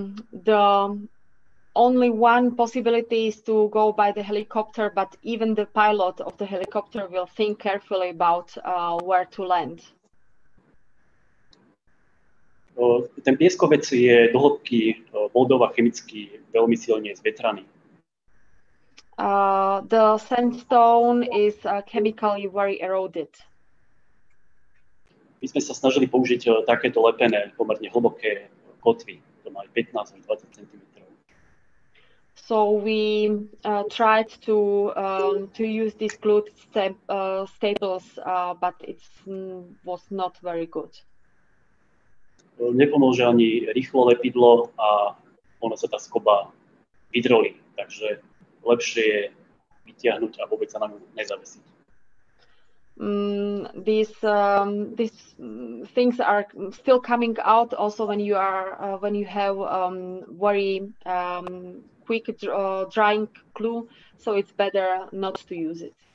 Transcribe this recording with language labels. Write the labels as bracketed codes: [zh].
[en] The only one possibility is to go by the helicopter, but even the pilot of the helicopter will think carefully about where to land. [sk] Ten pieskovec je do hĺbky vodou a chemicky veľmi silne zvetraný. [en] The sandstone is chemically very eroded. [sk] My sme sa snažili použiť takéto lepené, pomerne hlboké kotvy. To má 15 až 20 cm. [en] So we tried to use these glued staples, but it was not very good. [sk] Nepomôže ani rýchlo lepidlo a ono sa tá skoba vydrolí, takže lepšie je vytiahnuť a vôbec sa nám nezavesiť. [en] These things are still coming out also when you have very quick drying glue, so it's better not to use it.